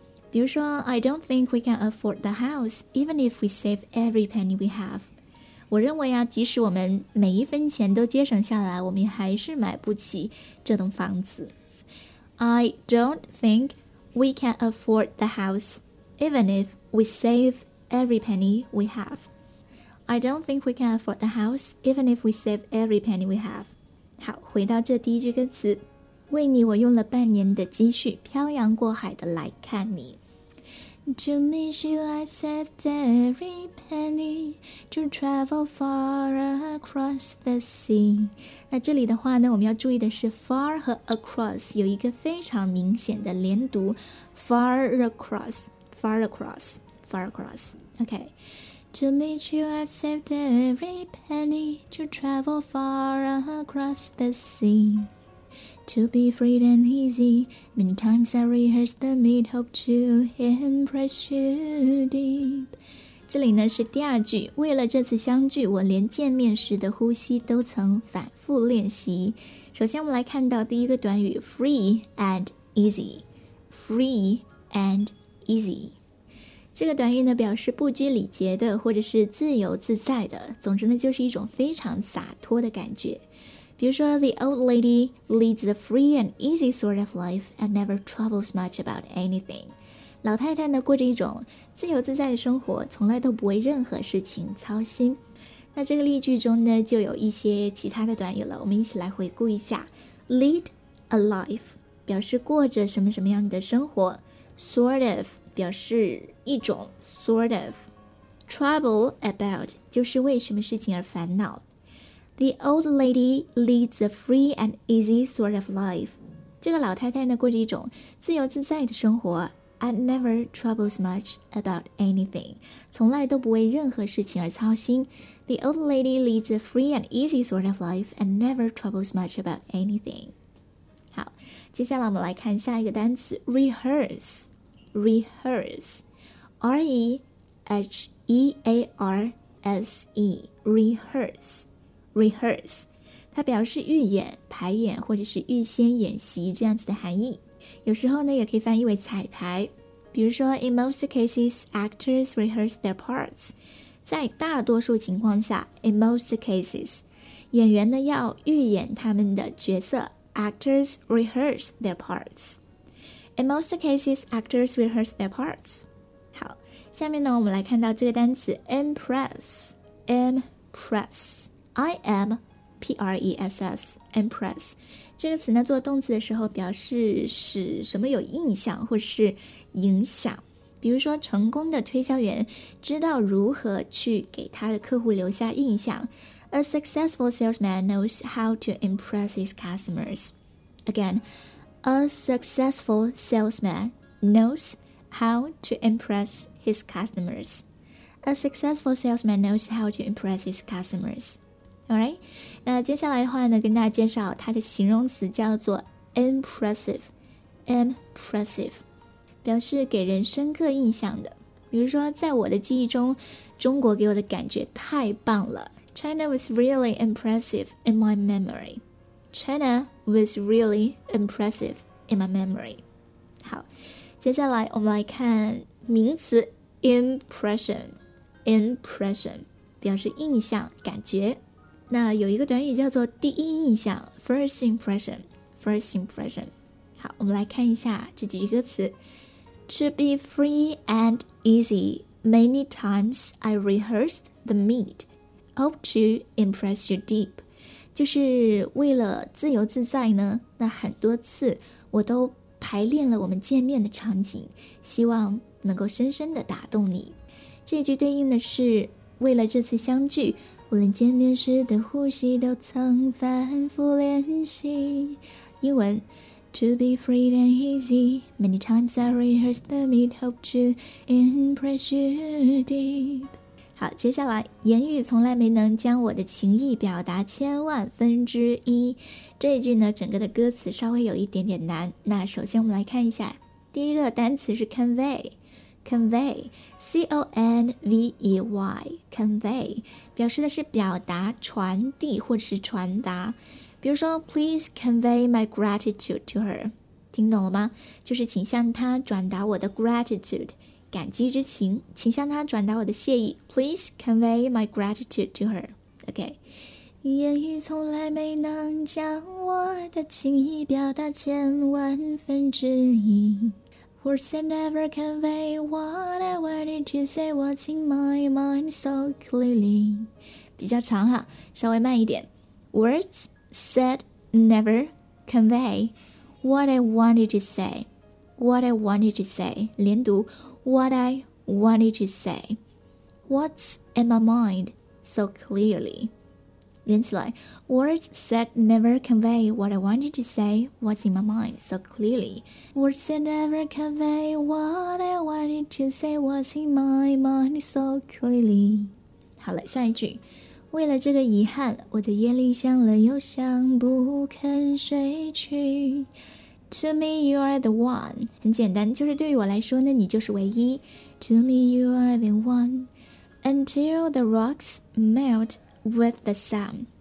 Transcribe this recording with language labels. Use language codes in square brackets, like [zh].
[zh] 比如说 [en] I don't think we can afford the house even if we save every penny we have， [zh] 我认为啊，即使我们每一分钱都节省下来，我们还是买不起这栋房子。 [en] I don't think we can afford the house even if we saveEvery penny we have. I don't think we can afford the house even if we save every penny we have. [zh] 好，回到这第一句歌词，为你我用了半年的积蓄，漂洋过海的来看你。 [en] To meet you I've saved every penny To travel far across the sea. [zh] 那这里的话呢，我们要注意的是 far 和 across 有一个非常明显的连读， [en] Far across OK. To meet you I've saved every penny To travel far across the sea To be free and easy Many times I rehearsed the meet Hope to impress you deep [zh] 这里呢是第二句，为了这次相聚，我连见面时的呼吸都曾反复练习。首先我们来看到第一个短语 Free and easy这个短语呢表示不拘礼节的，或者是自由自在的，总之呢就是一种非常洒脱的感觉。 [en] 比如说 The old lady leads a free and easy sort of life and never troubles much about anything. [zh] 老太太呢过着一种自由自在的生活，从来都不为任何事情操心。那这个例句中呢就有一些其他的短语了，我们一起来回顾一下。 Lead a life 表示过着什么什么样的生活， Sort of表示一种 sort of， trouble about 就是为什么事情而烦恼。 [en] The old lady leads a free and easy sort of life， [zh] 这个老太太呢过着一种自由自在的生活， [en] and never troubles much about anything， [zh] 从来都不为任何事情而操心。 [en] The old lady leads a free and easy sort of life and never troubles much about anything。 [zh] 好，接下来我们来看下一个单词 rehearse 它表示预演、排演或者是预先演习这样子的含义，有时候呢也可以翻译为彩排。比如说 In most cases actors rehearse their parts，在大多数情况下 In most cases 演员呢要预演他们的角色， Actors rehearse their partsIn most cases, actors rehearse their parts. 好，下面呢，我们来看到这个单词 impress, I-M-P-R-E-S-S, impress. 这个词呢，做动词的时候表示使什么有印象或是影响。比如说，成功的推销员知道如何去给他的客户留下印象。 [en] A successful salesman knows how to impress his customers. Again,A successful salesman knows how to impress his customers. A successful salesman knows how to impress his customers. Alright? [zh] 那接下来的话呢，跟大家介绍它的形容词叫做 impressive. Impressive. 表示给人深刻印象的。比如说在我的记忆中，中国给我的感觉太棒了。 [en] China was really impressive in my memory. China was really impressive in my memory. [zh] 好，接下来我们来看名词 impression 表示印象、感觉。那有一个短语叫做第一印象 first impression. 好，我们来看一下这几句歌词。 [en] To be free and easy, many times I rehearsed the meet, hope to impress you deep. [zh] 就是为了自由自在呢，那很多次我都排练了我们见面的场景，希望能够深深的打动你。这句对应的是，为了这次相聚，无论见面时的呼吸都曾反复练习。 [en] 英文 To be free and easy, many times I rehearse the meet, hope to impress you deep。 [zh] 好，接下来，言语从来没能将我的情意表达千万分之一。这一句呢，整个的歌词稍微有一点点难。那首先我们来看一下，第一个单词是 convey，表示的是表达、传递或者是传达。 [en] 比如说 ，please convey my gratitude to her， [zh] 听懂了吗？就是请向她转达我的 gratitude。感激之情，请向他转达我的谢意。 [en] Please convey my gratitude to her. OK， [zh] 言语从来没能将我的情意表达千万分之一。 [en] Words can never convey what I wanted to say. What's in my mind so clearly. [zh] 比较长哈，稍微慢一点。 [en] Words said never convey what I wanted to say. What I wanted to say. 连读。What I wanted to say. What's in my mind so clearly? [zh] 连起来 [en] Words said never convey what I wanted to say. What's in my mind so clearly? Words said never convey what I wanted to say. What's in my mind so clearly? [zh] 好了，下一句。为了这个遗憾，我的夜里想了又想，不肯睡去。 [en] To me, you are the one. [zh] 很简单，就是对于我来说呢，你就是唯一。 [en] To me, you are the one. Until the rocks melt with the sun.